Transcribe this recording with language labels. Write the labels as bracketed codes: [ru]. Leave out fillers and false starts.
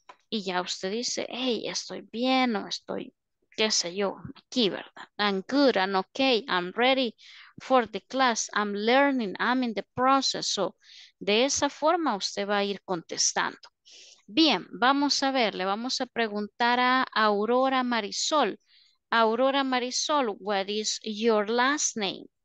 [es] Y ya usted dice, hey, estoy bien o estoy, qué sé yo, aquí, ¿verdad? [en] I'm good, I'm okay, I'm ready for the class, I'm learning, I'm in the process. [es] So, de esa forma usted va a ir contestando. Bien, vamos a ver, le vamos a preguntar a Aurora Marisol. [en] Aurora Marisol, what is your last name?